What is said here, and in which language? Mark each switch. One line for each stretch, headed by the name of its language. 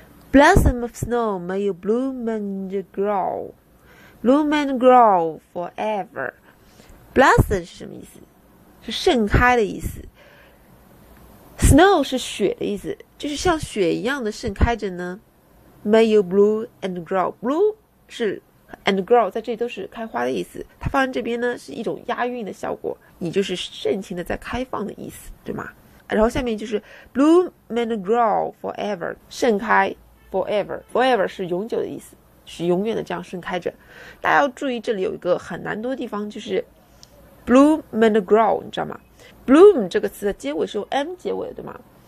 English: Blossom of snow, may you bloom and grow, bloom and grow forever.
Chinese: Blossom 是什么意思？是盛开的意思。Snow 是雪的意思，就是像雪一样的盛开着呢。
English: May you bloom and grow, bloom
Chinese: 是
English: and grow
Chinese: 在这里都是开花的意思。它放在这边呢，是一种押韵的效果，你就是盛情的在开放的意思，对吗？然后下面就是
English: bloom and grow forever,
Chinese: 盛开。 Forever 是永久的意思，是永远的这样盛开着。大家要注意，这里有一个很难读的地方，就是
English: bloom and grow，
Chinese: 你知道吗 ？bloom 这个词的结尾是用 m 结尾的，对吗？